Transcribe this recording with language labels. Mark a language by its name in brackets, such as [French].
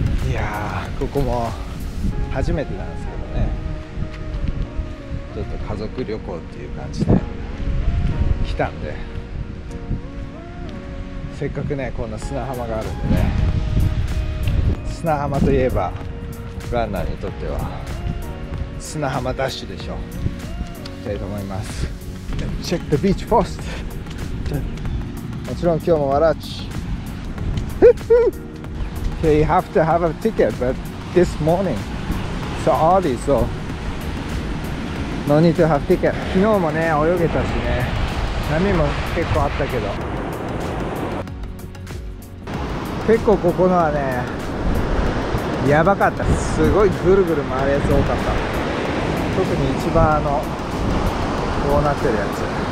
[Japanese] いやー、ここも初めてなんですけどね、ちょっと家族旅行っていう感じで来たんで、せっかくねこんな砂浜があるんでね、砂浜といえばランナーにとっては砂浜ダッシュでしょ、行きたいと思います。 [English] Check the beach first。 [Japanese] もちろん今日もワラチ。 [English] They have to have a ticket, but this morning, so early, so no need to have ticket. [Japanese] 昨日もね、泳げたしね、波も結構あったけど、結構ここのはね、やばかった。すごいぐるぐる回るやつ多かった。特に一番あの、こうなってるやつ。